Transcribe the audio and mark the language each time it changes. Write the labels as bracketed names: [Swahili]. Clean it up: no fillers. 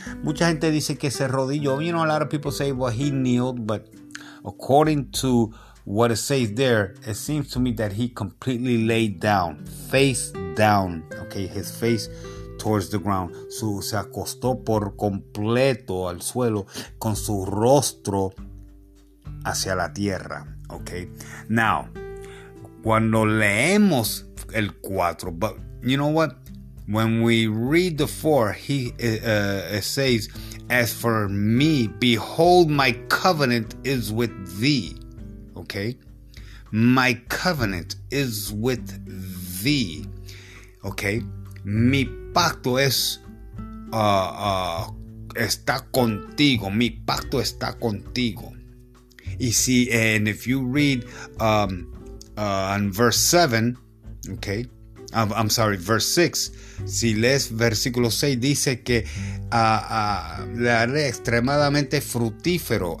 [Spanish] Mucha gente dice que se rodilló, [English] you know, a lot of people say, well, he kneeled, but according to what it says there, it seems to me that he completely laid down, face down, okay, his face towards the ground. [Spanish] Se acostó por completo al suelo con su rostro hacia la tierra, okay. [English] Now, [Spanish] cuando leemos el 4, [English] but you know what? When we read the 4, it says, as for me, behold, my covenant is with thee. Okay, My covenant is with thee. Okay? [Spanish] Mi pacto es está contigo. Mi pacto está contigo. [English] You see, and if you read on verse 7, okay? I'm sorry, verse 6. [Spanish] Si lees versículo 6, dice que le haré extremadamente frutífero.